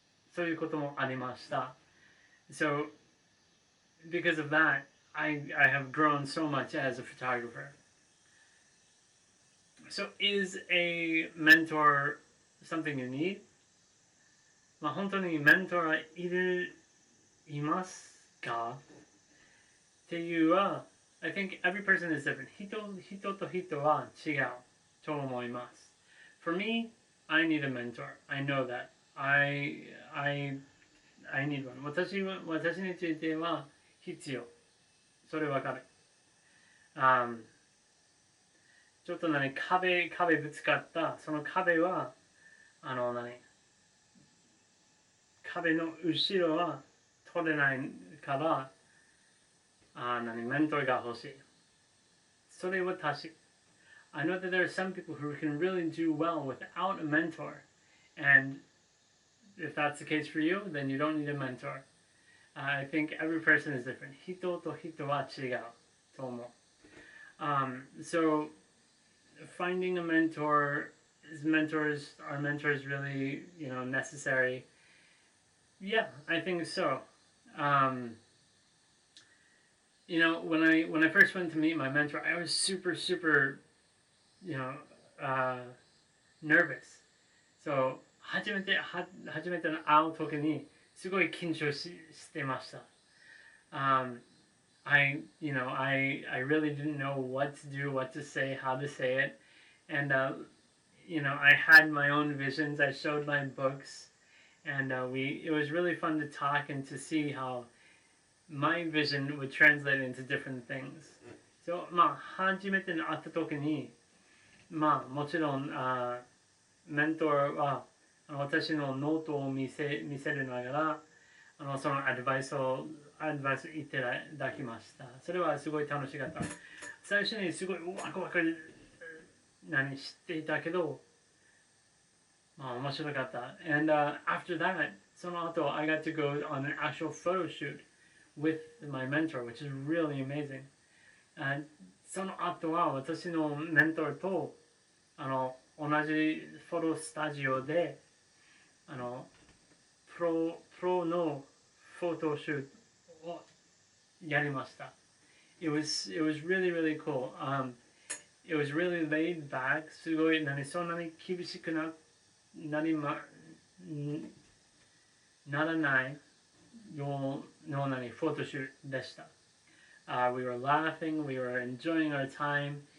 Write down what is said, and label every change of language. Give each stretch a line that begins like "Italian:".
Japanese: そういうこともありました。
English: So, because of that, I have grown so much as a photographer. So, is a mentor something you need?
Japanese: まあ、本当にメンターはいますか? っていうは、
English: I think every person is different.
Japanese: 人と人は違うと思います。
English: For me, I need a mentor. I know that. I need one.
Japanese: 私については必要。それわかる。ちょっと何、壁ぶつかった。その壁は、何、壁の後ろは、取れないから、メンターが欲しい。それは確か。
English: I know that there are some people who can really do well without a mentor. And if that's the case for you, then you don't need a mentor. I think every person is different.
Japanese: 人と人は違うと思う。
English: So, finding a mentor, are mentors really, you know, necessary? Yeah, I think so. You know, when I first went to meet my mentor, I was super, super, you know, nervous.
Japanese: So, 初めての会うときにすごい緊張してました。
English: I really didn't know what to do, what to say, how to say it. And, you know, I had my own visions. I showed my books. And it was really fun to talk and to see how my vision would translate into different things.
Japanese: So, まあ、初めて会ったときに、まあ、もちろん、メンターは、私のノートを見せるながら、そのアドバイスをいただきました。それはすごい楽しかった。最初にすごいワクワク何知っていたけど、まあ面白かった。
English: And after that,
Japanese: その後
English: I got to go on an actual photo shoot with my mentor, which is really amazing.
Japanese: And その後は私のメンターと同じフォロスタジオでプロのフォトシュートをやりました。
English: It was really, really cool.、it was really laid back.
Japanese: すごい、そんなに厳しくならないようなフォトシュートでした。
English: We were laughing, we were enjoying our time.